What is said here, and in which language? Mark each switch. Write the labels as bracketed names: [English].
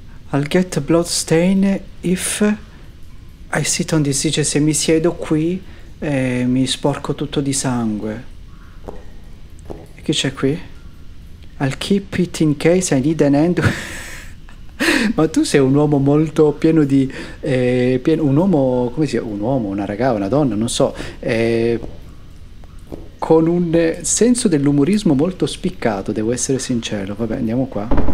[English] I'll get a blood stain if I sit on this. [Italian] Cioè, se mi siedo qui e mi sporco tutto di sangue. E chi c'è qui? [English] I'll keep it in case I need an end. [Italian] Ma tu sei un uomo molto pieno di. Pieno, un uomo. Come si chiama? Un uomo, una ragazza, una donna, non so. Con un senso dell'umorismo molto spiccato, devo essere sincero. Vabbè, andiamo qua.